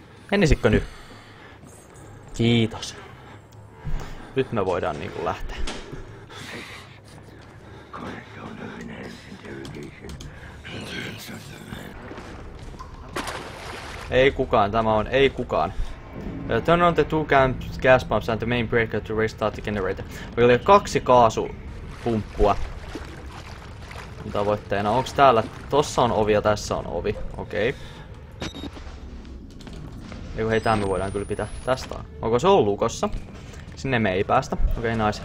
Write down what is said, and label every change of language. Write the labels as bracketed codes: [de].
[fi] Menisikö nyt? Kiitos. Nyt me voidaan niinku lähteä. Ei kukaan, tämä on ei kukaan. [en] Turn on the two gas pumps and the main breaker to restart the generator. [fi] Meillä on kaksi kaasupumppua. Tavoitteena, onks täällä? Tossa on ovi ja tässä on ovi. Okei. Okay. Eiku hei, tää me voidaan kyllä pitää. Tästä on. Onko se on lukossa? Sinne me ei päästä. Okei, okay, nice.